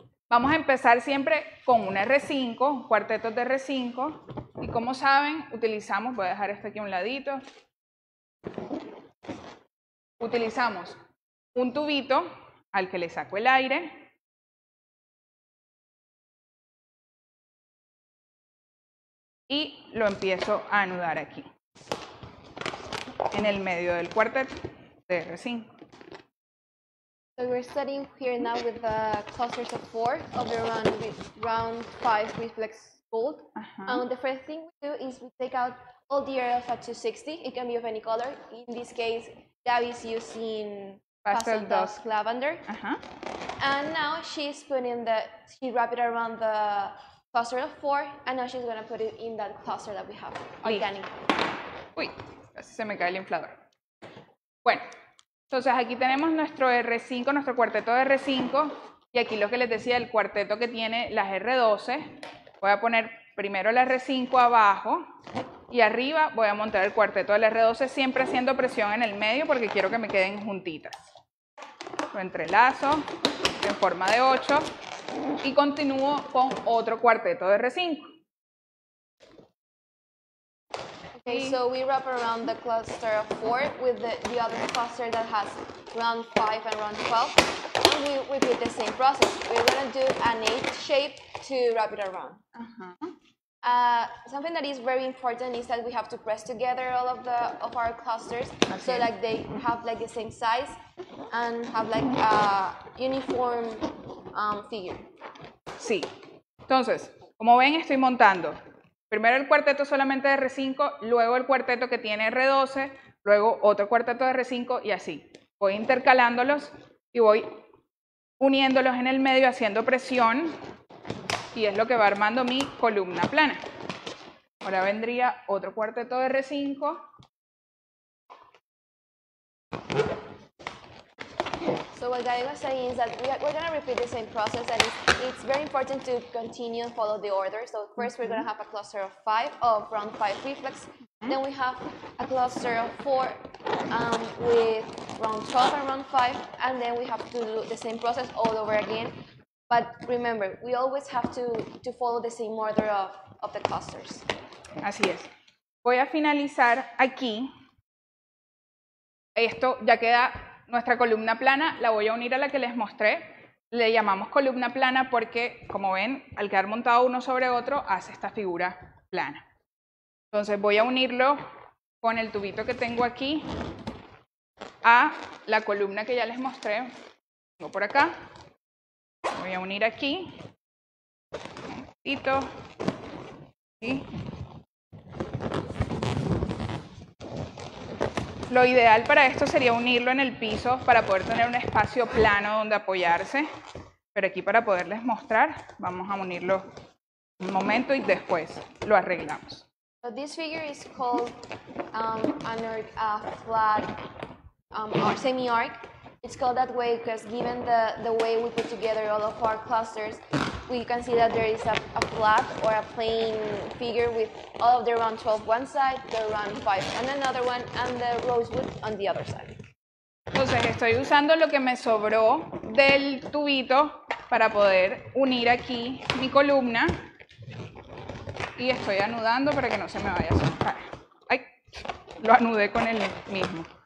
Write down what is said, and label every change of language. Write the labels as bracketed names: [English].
[Spanish] Vamos a empezar siempre con un R5, cuartetos de R5, y como saben, voy a dejar esto aquí a un ladito, utilizamos un tubito al que le saco el aire, y lo empiezo a anudar aquí en el medio del cuartet de R5. [English] So we're starting here now with the clusters of 4 of around round 5 reflex gold. The first thing we do is we take out all the areas at 260. It can be of any color. In this case, Gabby's using pastel dusk lavender. And now she's putting she wrap it around the cluster of 4, and now she's gonna put it in that cluster that we have organic. [Spanish] Uy. Se me cae el inflador. Bueno, entonces aquí tenemos nuestro R5, nuestro cuarteto de R5, y aquí lo que les decía, el cuarteto que tiene las R12, voy a poner primero la R5 abajo, y arriba voy a montar el cuarteto de la R12, siempre haciendo presión en el medio, porque quiero que me queden juntitas. Lo entrelazo en forma de 8, y continúo con otro cuarteto de R5. [English] Okay, so we wrap around the cluster of 4 with the other cluster that has round 5 and round 12, and we repeat the same process. We're going to do an 8 shape to wrap it around. Something that is very important is that we have to press together all of our clusters, okay. So like they have like the same size and have like a uniform figure. [Spanish] Sí. Entonces, como ven, estoy montando primero el cuarteto solamente de R5, luego el cuarteto que tiene R12, luego otro cuarteto de R5 y así. Voy intercalándolos y voy uniéndolos en el medio, haciendo presión, y es lo que va armando mi columna plana. Ahora vendría otro cuarteto de R5. [English] So what Gaia was saying is that we're going to repeat the same process, and it's very important to continue and follow the order. So first we're going to have a cluster of five, of round five reflex. Then we have a cluster of four with round 12 and round 5, and then we have to do the same process all over again. But remember, we always have to follow the same order of the clusters. [Spanish] Así es. Voy a finalizar aquí. Esto ya queda nuestra columna plana, la voy a unir a la que les mostré. Le llamamos columna plana porque, como ven, al quedar montado uno sobre otro, hace esta figura plana. Entonces voy a unirlo con el tubito que tengo aquí a la columna que ya les mostré. Tengo por acá. Voy a unir aquí. Un poquito. ¿Sí? Lo ideal para esto sería unirlo en el piso para poder tener un espacio plano donde apoyarse. Pero aquí, para poderles mostrar, vamos a unirlo un momento y después lo arreglamos. [English] So this figure is called a flat or semi-arc. It's called that way because given the way we put together all of our clusters, we can see that there is a flat or a plain figure with all of the round 12 one side, the round 5 on another one, and the rosewood on the other side. [Spanish] Entonces estoy usando lo que me sobró del tubito para poder unir aquí mi columna. Y estoy anudando para que no se me vaya a soltar. ¡Ay! Lo anudé con el mismo.